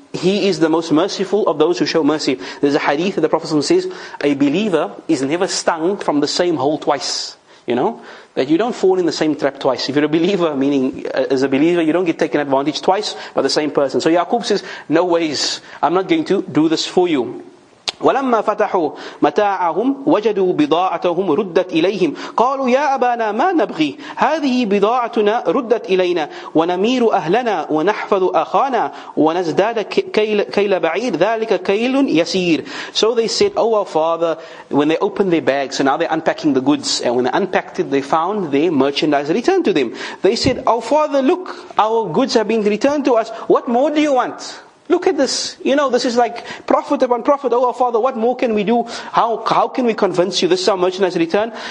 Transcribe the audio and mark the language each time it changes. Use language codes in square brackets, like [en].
[en] He is the most merciful of those who show mercy. There's a hadith that the Prophet says, a believer is never stung from the same hole twice. You know? That you don't fall in the same trap twice. If you're a believer, meaning as a believer, you don't get taken advantage twice by the same person. So Yaqub says, no ways. I'm not going to do this for you. [ar] ولما فتحوا متاعهم وجدوا بضاعتهم ردت إليهم قالوا يا أبانا ما نبغي هذه بضاعتنا ردت إلينا ونمير أهلنا ونحفظ أخانا ونزداد كيل بعيد ذلك كيل يسير. [en] So they said, oh our father, when they opened their bags, and so now they're unpacking the goods, and when they unpacked it, they found their merchandise returned to them. They said, oh father, look, our goods have been returned to us. What more do you want? Look at this. You know, this is like prophet upon prophet. Oh, our father, what more can we do? How can we convince you? This is our merchandise return.